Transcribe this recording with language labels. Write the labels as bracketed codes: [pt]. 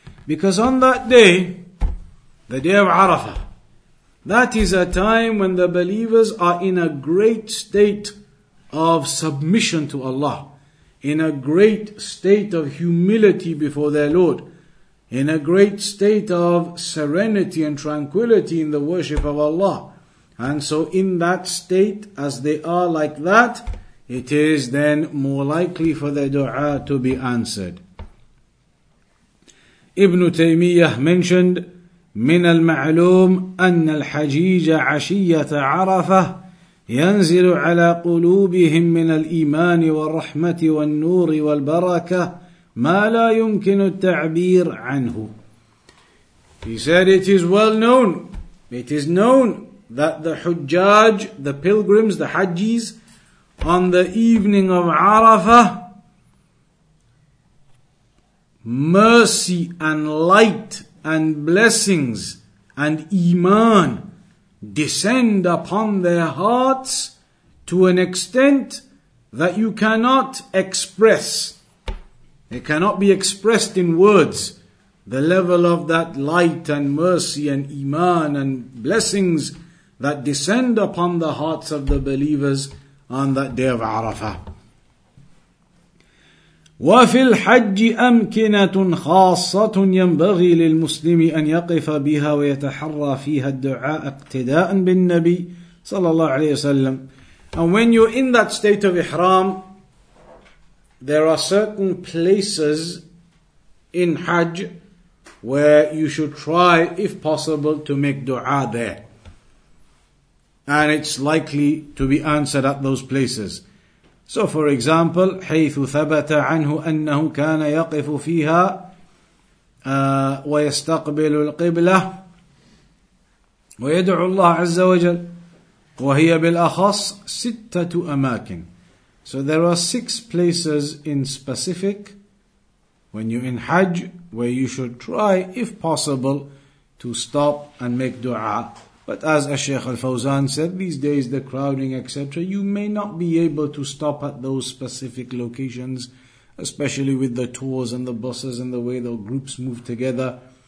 [en] Because on that day, the day of Arafah, that is a time when the believers are in a great state of submission to Allah, in a great state of humility before their Lord, in a great state of serenity and tranquility in the worship of Allah. And so in that state, as they are like that, it is then more likely for their dua to be answered. Ibn Taymiyyah mentioned, [ar] من المعلوم أن الحجيج عشية عرفة ينزل على قلوبهم من الإيمان والرحمة والنور والبركة ما لا يمكن التعبير عنه. [en] He said, it is well known, it is known that the Hujjaj, the pilgrims, the Hajjis, on the evening of Arafah, mercy and light and blessings and iman descend upon their hearts to an extent that you cannot express. It cannot be expressed in words, the level of that light and mercy and iman and blessings that descend upon the hearts of the believers on that day of Arafah. [ar] وفي الحج أمكنة خاصة ينبغي للمسلم أن يقف بها ويتحرى فيها الدعاء اقتداء بالنبي صلى الله عليه وسلم. [en] And when you're in that state of ihram, there are certain places in Hajj where you should try, if possible, to make dua there. And it's likely to be answered at those places. So for example, [ar] حيث ثبت عنه أنه كان يقف فيها ويستقبل القبلة ويدعو الله عز وجل وهي بالأخص ستة أماكن. [en] So there are six places in specific when you're in Hajj where you should try, if possible, to stop and make dua. But as Sheikh Al-Fawzan said, these days the crowding, etc., you may not be able to stop at those specific locations, especially with the tours and the buses and the way the groups move together.